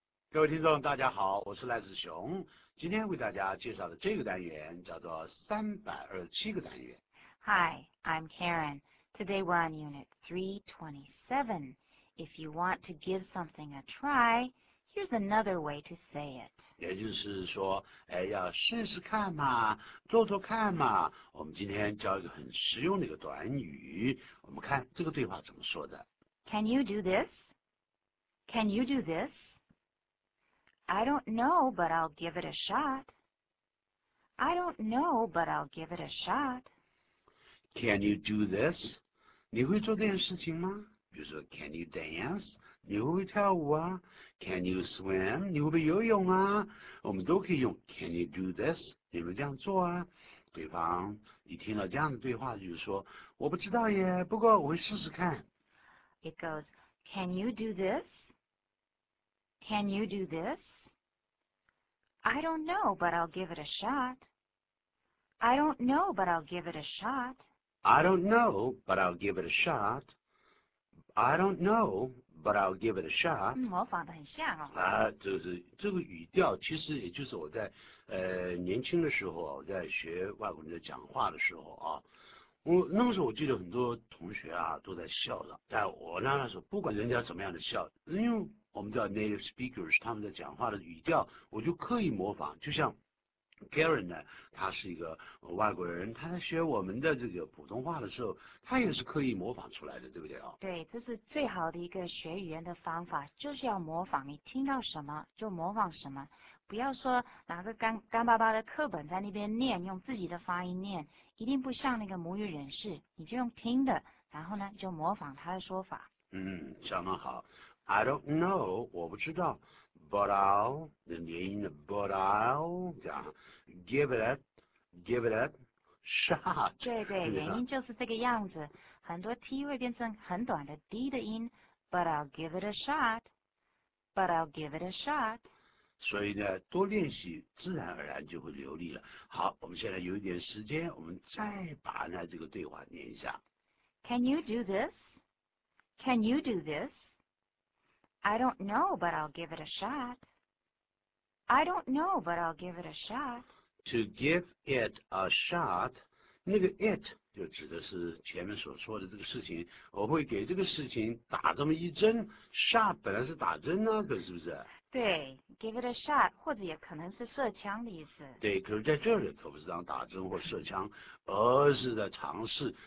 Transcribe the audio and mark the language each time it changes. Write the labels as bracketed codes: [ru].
[zh] 各位听众，大家好，我是赖子熊。今天为大家介绍的这个单元叫做327个单元。 [en] Hi, I'm Karen. Today we're on Unit 327. If you want to give something a try, here's another way to say it. [zh] 也就是说，哎，要试试看嘛，做做看嘛。我们今天教一个很实用的一个短语。我们看这个对话怎么说的。 [en] Can you do this? Can you do this? I don't know, but I'll give it a shot. I don't know, but I'll give it a shot. Can you do this? [zh] 你会做这件事情吗？比如说 [en] can you dance? [zh] 你会不会跳舞啊？ [en] Can you swim? [zh] 你会不会游泳啊？我们都可以用 [en] can you do this? [zh] 你们这样做啊？对方，你听到这样的对话就是说，我不知道耶，不过我会试试看。 [en] It goes, can you do this? Can you do this? I don't know, but I'll give it a shot. I don't know, but I'll give it a shot. I don't know, but I'll give it a shot. I don't know, but I'll give it a shot. [zh] 模仿得很像哦。啊，就是这个语调，其实也就是我在年轻的时候，我在学外国人的讲话的时候啊。我那个时候我记得很多同学啊都在笑的，但我那时候不管人家怎么样的笑，因为我们叫 [en] native speakers， [zh] 他们在讲话的语调我就刻意模仿，就像 Karen 呢，他是一个外国人，他在学我们的这个普通话的时候他也是刻意模仿出来的，对不对？对，这是最好的一个学语言的方法，就是要模仿，你听到什么就模仿什么，不要说拿个干巴巴的课本在那边念，用自己的发音念，一定不像那个母语人士，你就用听的，然后呢就模仿他的说法。嗯，相当好。 [en] I don't know, [zh] 我不知道 [en] but I'll, [zh] 连音的 [en] but I'll, [zh] 这样 [en] give it a shot. [zh] 对对，连音就是这个样子，很多 T 会变成很短的 D 的音 [en] but I'll give it a shot, but I'll give it a shot. [zh] 所以呢，多练习自然而然就会流利了。好，我们现在有一点时间，我们再把呢这个对话念一下。 [en] Can you do this? Can you do this? I don't know, but I'll give it a shot. I don't know, but I'll give it a shot. To give it a shot, [zh] 那个 it 就指的是前面所说的这个事情，我会给这个事情打这么一针。 Shot 本来是打针那个，是不是？对 ， [en] give it a shot， [zh] 或者也可能是射枪的意思。对，可是在这里可不是当打针或射枪，而是在尝试。